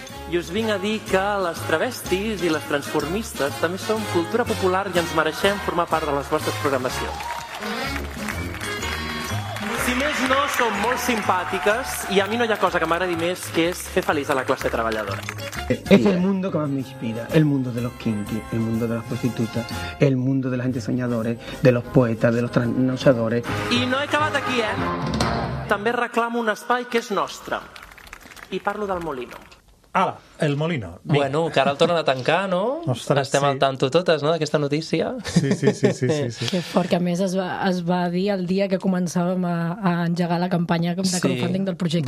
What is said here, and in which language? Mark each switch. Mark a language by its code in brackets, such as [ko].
[ca] I us vinc a dir que les travestis i les transformistes també són cultura popular i ens mereixem formar part de les vostres programacions. Si més no, són molt simpàtiques i a mi no hi ha cosa que m'agradi més que és fer feliç a la classe treballadora. [es] Es el mundo que más me inspira, el mundo de los kinky, el mundo de las prostitutas, el mundo de las gente soñadores, de los poetas, de los transnosadores. [ca] I no he acabat aquí, eh? També reclamo un espai que és nostre. I parlo del Molino. Ala, el Molino. Vinc. Bueno, que ara el tornen a tancar, no? Ostres, estem sí. Al tanto totes, no?, d'aquesta notícia. Sí. Que fort, que a més es va dir el dia que començàvem a engegar la campanya de crowdfunding del projecte.